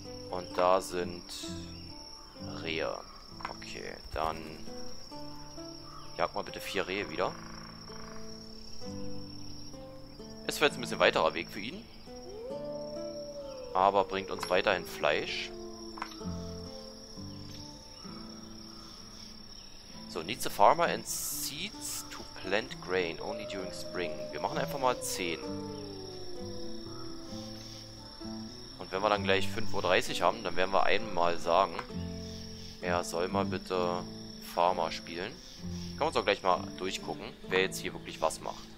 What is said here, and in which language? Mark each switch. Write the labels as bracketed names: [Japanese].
[German] Und da sind Rehe. Okay, dann jag mal bitte 4 Rehe wieder. Es wird jetzt ein bisschen weiterer Weg für ihn. Aber bringt uns weiterhin Fleisch. [English] So, needs a farmer and seeds to plant grain only during spring. [German] Wir machen einfach mal 10. Und wenn wir dann gleich 5.30 Uhr haben, dann werden wir einmal sagen, er soll mal bitte Farmer spielen. Können wir uns auch gleich mal durchgucken, wer jetzt hier wirklich was macht.